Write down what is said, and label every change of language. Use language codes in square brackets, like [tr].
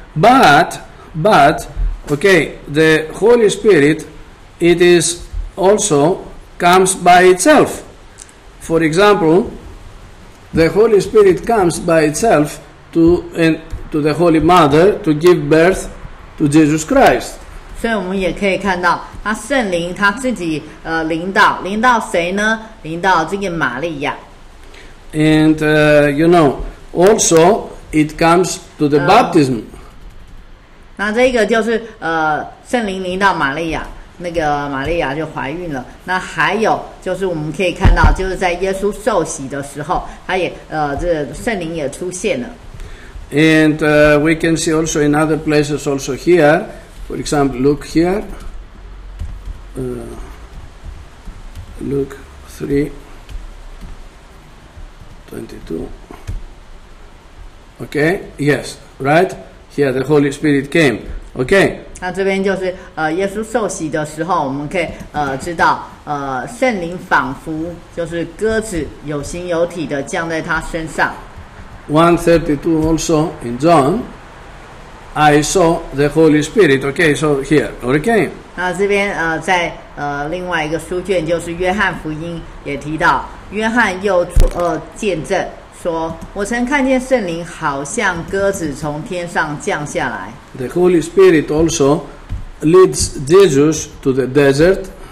[en] But, okay, the Holy Spirit, it is also comes by itself. For example, the Holy Spirit comes by itself to the Holy Mother to give birth. To Jesus Christ. [zh] 所以我们也可以看到，他圣灵他自己临到谁呢？临到这个玛利亚。 [en] And you know, also it comes to the baptism. [zh] 那这个就是圣灵临到玛利亚，那个玛利亚就怀孕了。那还有就是我们可以看到，就是在耶稣受洗的时候，他也这圣灵也出现了。 [en] And we can see also in other places also here, for example, look here, Luke 3:22. Okay, yes, right? Here the Holy Spirit came. Okay. [zh] 那这边就是耶稣受洗的时候，我们可以知道圣灵仿佛就是鸽子有形有体的降在他身上。 [en] 1:32 also in John, I saw the Holy Spirit. Okay, so here, okay. [zh] 那这边在另外一个书卷就是约翰福音也提到，约翰又见证说，我曾看见圣灵好像鸽子从天上降下来。 [en] The Holy Spirit also leads Jesus to the desert.